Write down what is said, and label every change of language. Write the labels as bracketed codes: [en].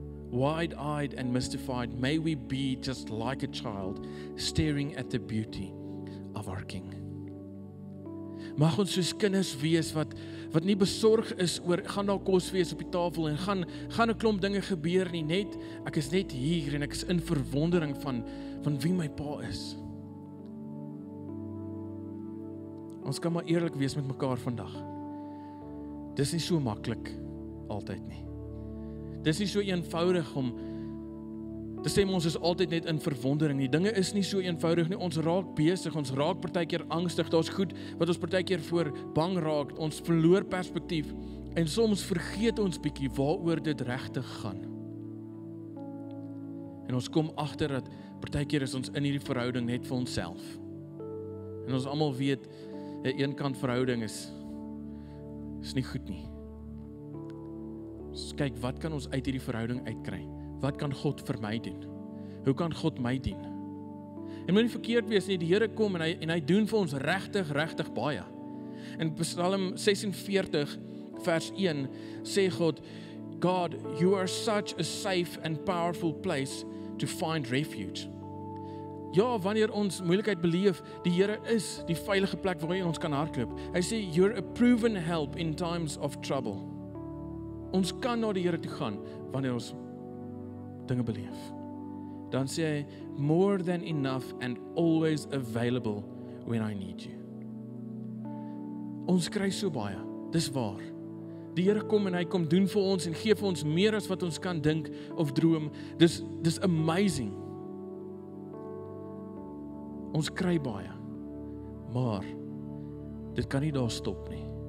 [en] Wide-eyed and mystified, may we be just like a child, staring at the beauty of our King. [af] Mag ons soos kinders wees wat nie besorg is oor, gaan daar kos wees op die tafel en gaan 'n klomp dinge gebeur nie, net, ek is net hier en ek is in verwondering van wie my pa is. Ons kan maar eerlik wees met mekaar vandag. Dis nie so maklik altyd nie. Dis nie so eenvoudig om te sê, ons is altyd net in verwondering. Die dinge is nie so eenvoudig nie. Ons raak besig, ons raak partykeer angstig. Daar's goed wat ons partykeer voor bang raak. Ons verloor perspektief. En soms vergeet ons bietjie waaroor dit regtig gaan. En ons kom agter dat partykeer is ons in hierdie verhouding net vir onsself. En ons almal weet 'n eenkant verhouding is nie goed nie. Ons kyk, wat kan ons uit hierdie verhouding uitkry? Wat kan God vir my doen? Hoe kan God my dien? En moet nie verkeerd wees nie, die Here kom en hy doen vir ons regtig, regtig baie. In Psalm 46 vers 1 sê God, [en] God, you are such a safe and powerful place to find refuge. [af] Ja, wanneer ons moeilikheid beleef, die Here is die veilige plek waarheen ons kan hardloop. Hy sê, [en] you're a proven help in times of trouble. [af] Ons kan na die Here toe gaan wanneer ons dinge beleef. Dan sê hy, [en] more than enough and always available when I need you. [af] Ons kry so baie, dis waar. Die Here kom en hy kom doen vir ons en gee vir ons meer as wat ons kan dink of droom. Dis amazing. Ons kry baie, maar dit kan nie daar stop nie.